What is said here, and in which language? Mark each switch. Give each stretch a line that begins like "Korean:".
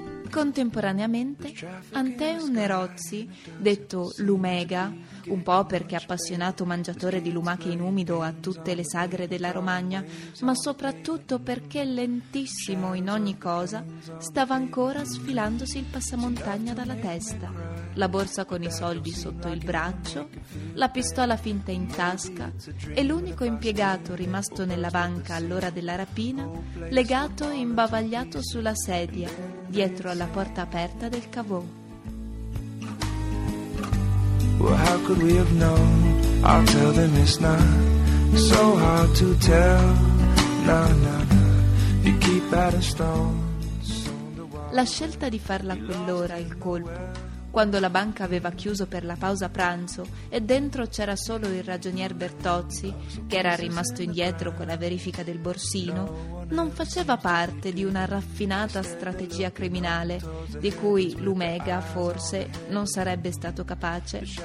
Italian: Contemporaneamente, Anteo Nerozzi, detto Lumega, un po' perché appassionato mangiatore di lumache in umido a tutte le sagre della Romagna, ma soprattutto perché lentissimo in ogni cosa, stava ancora sfilandosi il passamontagna dalla testa, la borsa con i soldi sotto il braccio, la pistola finta in tasca e l'unico impiegato rimasto nella banca all'ora della rapina, legato e imbavagliato sulla sedia, dietro alla porta aperta del cavò.
English: Well, how could we have known? I'll tell them it's not so hard to tell. Nah, nah, nah. You keep adding stones.
Italian: La scelta di farla a quell'ora, il colpo, quando la banca aveva chiuso per la pausa pranzo e dentro c'era solo il ragionier Bertozzi, che era rimasto indietro con la verifica del borsino, non faceva parte di una raffinata strategia criminale, di cui Lumega forse non sarebbe stato capace,